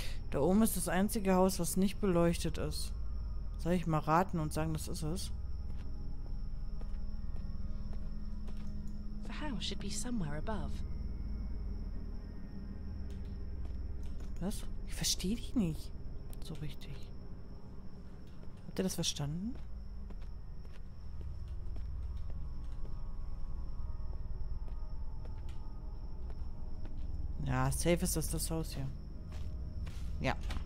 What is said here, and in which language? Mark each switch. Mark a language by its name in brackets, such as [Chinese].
[German] Da oben ist das einzige Haus, was nicht beleuchtet ist. Soll ich mal raten und sagen, das ist es? [English] The house should be somewhere above. [German] Was? Ich verstehe dich nicht so richtig. Habt ihr das verstanden? Ja, safe ist das Haus hier. Ja.